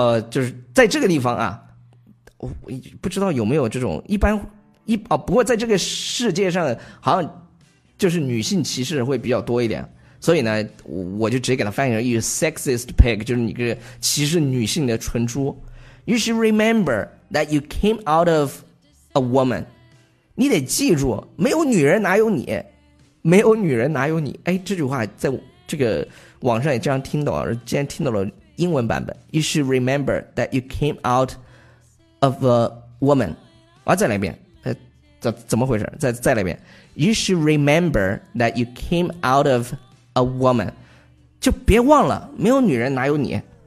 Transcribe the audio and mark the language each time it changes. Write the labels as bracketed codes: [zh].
[zh] 就是在这个地方啊，我不知道有没有这种不过在这个世界上好像就是女性歧视会比较多一点，所以呢我就直接给他翻译成 [en] You sexist pig, [zh] 就是你个歧视女性的蠢猪。 [en] You should remember that you came out of a woman. [zh] 你得记住，没有女人哪有你，没有女人哪有你。哎，这句话在这个网上也这样听到，竟然听到了英文版本。 [en] You should remember that you came out of a woman. [zh] 啊，再来一遍，怎么回事？再来一遍。 [en] You should remember that you came out of a woman. [zh] 就别忘了，没有女人哪有你。